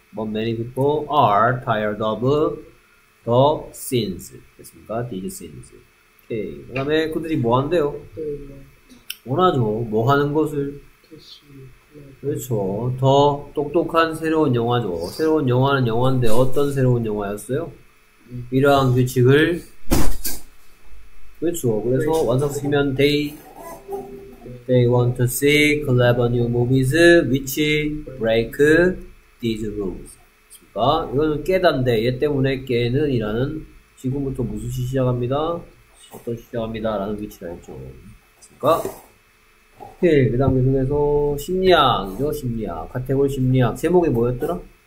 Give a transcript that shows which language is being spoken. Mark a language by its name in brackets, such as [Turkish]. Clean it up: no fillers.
[English] But many people are tired of the sins. [Korean] 됐습니까? These sins. 오케이. 그 다음에 그들이 뭐 한대요? 원하죠. 뭐 하는 것을? 그렇죠. 더 똑똑한 새로운 영화죠. 새로운 영화는 영화인데 어떤 새로운 영화였어요? 이러한 규칙을. 그렇죠. 그래서 완성시키면 [English] they want to see clever new movies which break these rules. [Korean] 아, 이거는 깨단데 얘 때문에 깨는 이라는 지금부터 무슨 시 시작합니다? 어떤 시 시작합니다? 라는 위치라 했죠. 그니까? 오케이. 그 다음 계속해서 심리학이죠. 심리학. 카테고리 심리학. 제목이 뭐였더라?